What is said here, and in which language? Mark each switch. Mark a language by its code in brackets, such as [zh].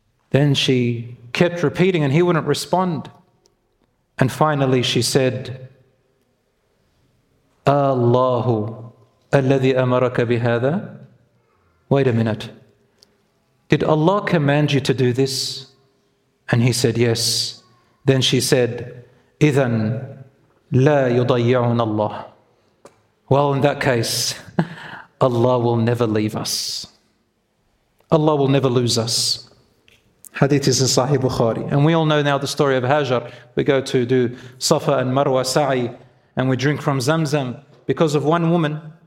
[en] Then she kept repeating and he wouldn't respond. And finally she said, [ar] الله الذي أمرك بهذا? [en] Wait a minute. Did Allah command you to do this? And he said, yes. [ar] Then she said, إِذَنْ لَا يُضَيَّعُنَ اللَّهِ. [en] Well, in that case, Allah will never leave us. Allah will never lose us. Hadith is in Sahih Bukhari. And we all know now the story of Hajar. We go to do Safa and Marwa Sa'i, and we drink from Zamzam because of one woman.